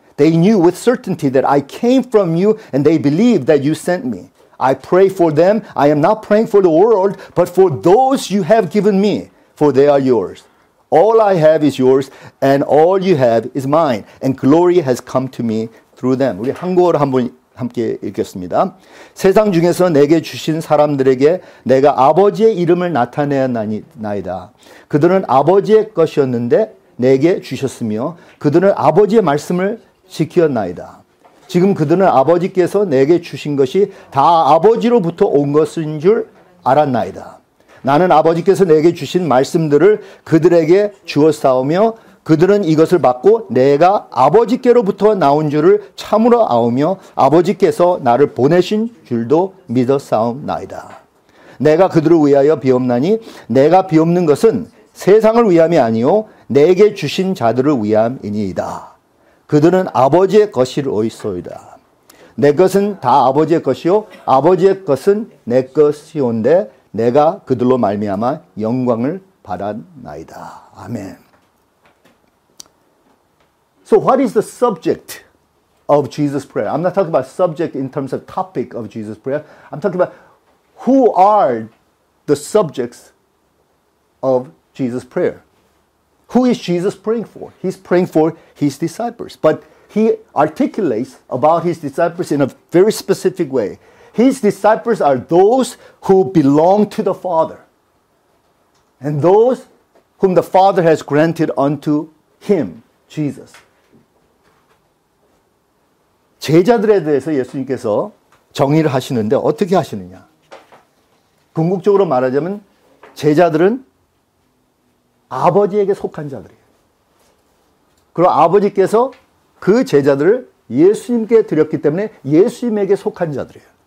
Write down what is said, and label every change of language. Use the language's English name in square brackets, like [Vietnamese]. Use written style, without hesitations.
[English] They knew with certainty that I came from you, and they believed that you sent me. I pray for them. I am not praying for the world, but for those you have given me, for they are yours. All I have is yours, and all you have is mine, and glory has come to me through them. [Korean] 우리 한국어를 한번 함께 읽겠습니다. 세상 중에서 내게 주신 사람들에게 내가 아버지의 이름을 나타내었나이다. 그들은 아버지의 것이었는데 내게 주셨으며 그들은 아버지의 말씀을 지키었나이다. 지금 그들은 아버지께서 내게 주신 것이 다 아버지로부터 온 것인 줄 알았나이다. 나는 아버지께서 내게 주신 말씀들을 그들에게 주었사오며 그들은 이것을 받고 내가 아버지께로부터 나온 줄을 참으로 아오며 아버지께서 나를 보내신 줄도 믿었사옵나이다. 내가 그들을 위하여 비옵나니 내가 비옵는 것은 세상을 위함이 아니오 내게 주신 자들을 위함이니이다. 그들은 아버지의 것이로이소이다. 내 것은 다 아버지의 것이오 아버지의 것은 내 것이온데 내가 그들로 말미암아 영광을 받았나이다. 아멘. [English] So what is the subject of Jesus' prayer? I'm not talking about subject in terms of topic of Jesus' prayer. I'm talking about who are the subjects of Jesus' prayer. Who is Jesus praying for? He's praying for his disciples. But he articulates about his disciples in a very specific way. His disciples are those who belong to the Father. And those whom the Father has granted unto him, Jesus. [Korean] 제자들에 대해서 예수님께서 정의를 하시는데 어떻게 하시느냐? 궁극적으로 말하자면 제자들은 아버지에게 속한 자들이에요. 그리고 아버지께서 그 제자들을 예수님께 드렸기 때문에 예수님에게 속한 자들이에요.